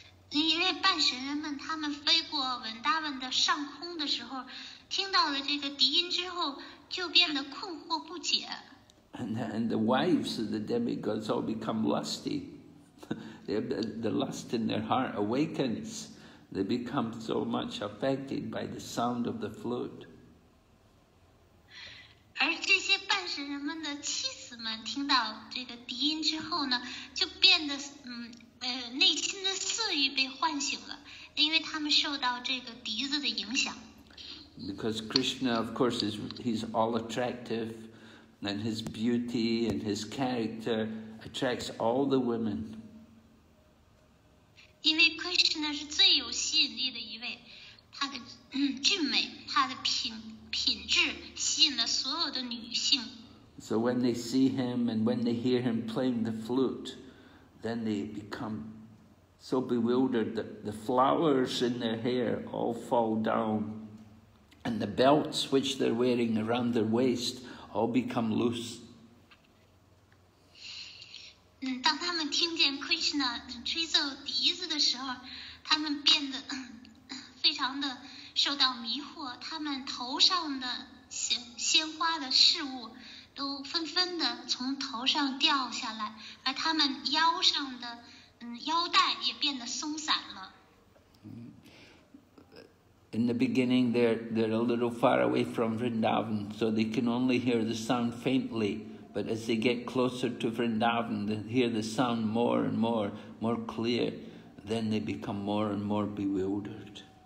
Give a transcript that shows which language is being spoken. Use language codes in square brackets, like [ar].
[zh] 因为半神人们他们飞过 Vrindavan 的上空的时候听到了这个笛音之后就变得困惑不解。 [en] And the wives of the demigods all become lusty. The lust in their heart awakens. They become so much affected by the sound of the flute. [zh] 而这些半神人们的妻子们听到这个笛音之后呢就变得内心的色欲被唤醒了，因为他们受到这个笛子的影响。 [en] Because Krishna, of course, he's all attractive, and his beauty and his character attracts all the women. Because Krishna is the most attractive one, his beauty, his character attracts all the women. So when they see him and when they hear him playing the flute, then they become so bewildered that the flowers in their hair all fall down. And the belts which they're wearing around their waist all become loose. [zh] 当他们听见 Krishna 吹奏笛子的时候，他们变得非常的受到迷惑，他们头上的鲜花的饰物都纷纷的从头上掉下来，而他们腰上的腰带也变得松散了。 [en] In the beginning, they're a little far away from Vrindavan, so they can only hear the sound faintly. But as they get closer to Vrindavan, they hear the sound more and more, more clear. Then they become more and more bewildered.